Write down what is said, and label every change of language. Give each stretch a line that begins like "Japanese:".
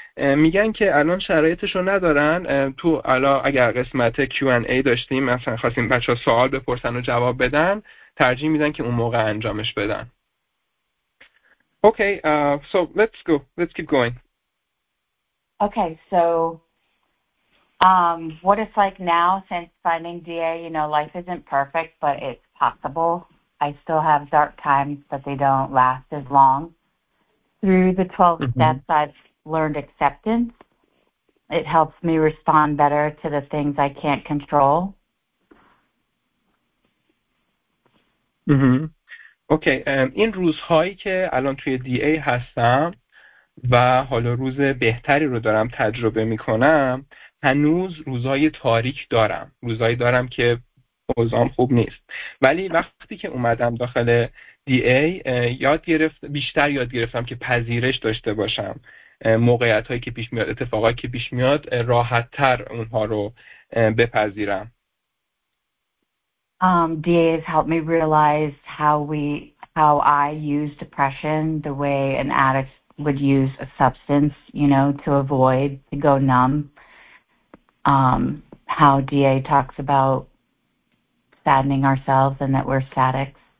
Persian: میگن که الان شرایطش رو ندارن. تو الان اگر قسمت Q&A داشتیم، مثلا خواستیم بچه ها سوال بپرسن و جواب بدن، ترجیح میدن که اون موقع انجامش بدن.
English: Okay, so let's go. Let's keep going. Okay, so what it's like now since finding DA, you know, life isn't perfect, but it's possible. I still have dark times, but they don't last as long. Through the 12 steps, I've learned acceptance. It helps me respond better to the things I can't control.
Persian: Okay, این روزهایی که الان توی دی ای هستم و حالا روز بهتری رو دارم تجربه میکنم، هنوز روزهای تاریک دارم، روزهایی دارم که اوضاعم خوب نیست، ولی وقتی که اومدم داخل دی ای بیشتر یاد گرفتم که پذیرش داشته باشم موقعیت هایی که پیش میاد، اتفاقایی که پیش میاد، راحت تر اونها رو بپذیرم.
English: DA has helped me realize how I use depression the way an addict would use a substance, you know, to avoid, to go numb. How DA talks about saddening ourselves and that we're statics.